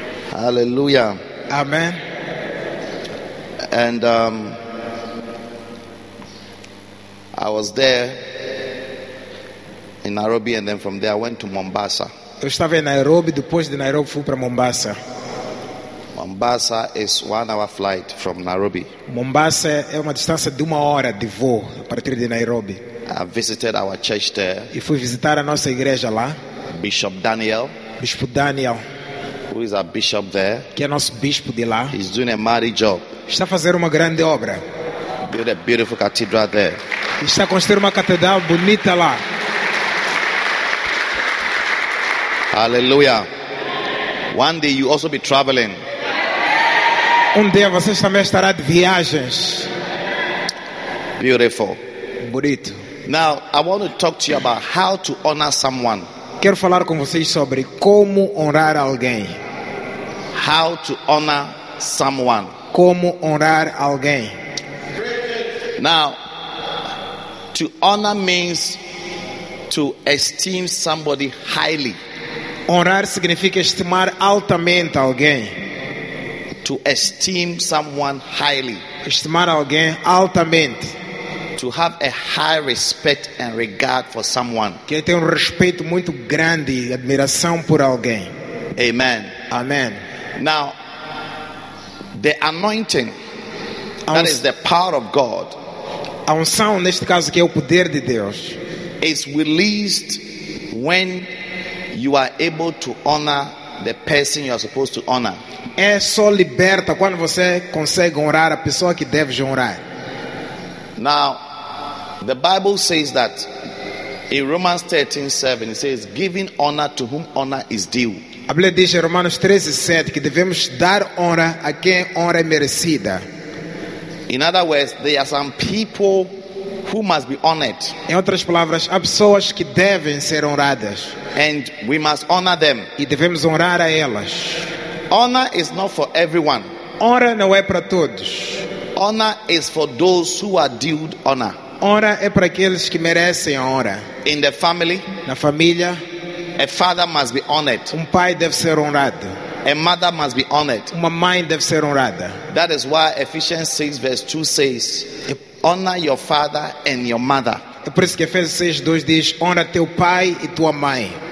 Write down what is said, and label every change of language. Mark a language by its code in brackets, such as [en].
[en] Hallelujah. [pt] Amen. [en] And I was there in Nairobi, and then from there I went to Mombasa. [pt] Eu estava em Nairobi, depois de Nairobi fui para Mombasa. [en] Mombasa is 1 hour flight from Nairobi. [pt] Mombasa é uma distância de uma hora de voo a partir de Nairobi. [en] I visited our church there. [pt] E fui visitar a nossa igreja lá. [en] Bishop Daniel. [pt] Bispo Daniel. [en] Who is our bishop there? [pt] Que é nosso bispo de lá. [en] He's doing a mighty job. [pt] Está a fazer uma grande obra. [en] Build a beautiful cathedral there. [pt] E está a construir uma catedral bonita lá. [en] Hallelujah. One day you also be traveling. [pt] Dia vocês também estará de viagens. [en] Beautiful. [pt] Bonito. [en] Now I want to talk to you about how to honor someone. [pt] Quero falar com vocês sobre como honrar alguém. [en] How to honor someone. [pt] Como honrar alguém. [en] Now, to honor means to esteem somebody highly. [pt] Honrar significa estimar altamente alguém. [en] To esteem someone highly. [pt] Estimar alguém altamente. [en] To have a high respect and regard for someone. [pt] Que tem respeito muito grande e admiração por alguém. [en] Amen. [pt] Amen. [en] Now, the anointing, that is the power of God. [pt] A unção, neste caso, que é o poder de Deus. [en] Is released when you are able to honor the person you are supposed to honor. [pt] É só liberta quando você consegue honrar a pessoa que deve honrar. [en] Now, the Bible says that in Romans 13:7 it says, "Giving honor to whom honor is due." [pt] A Bíblia diz em Romanos 13:7 que devemos dar honra a quem honra é merecida. [en] In other words, there are some people who must be honored. [pt] Em outras palavras, há pessoas que devem ser honradas. [en] And we must honor them. [pt] E devemos honrar a elas. [en] Honor is not for everyone. [pt] Honra não é para todos. [en] Honor is for those who are due honor. [pt] Honra é para aqueles que merecem a honra. [en] In the family, [pt] na família, [en] a father must be honored. [pt] Um pai deve ser honrado. [en] A mother must be honored. [pt] Uma mãe deve ser honrada. [en] That is why Ephesians 6 verse 2 says, honor your father and your mother. [pt] É por isso que Efésios 6, 2 diz, honra teu pai e tua mãe.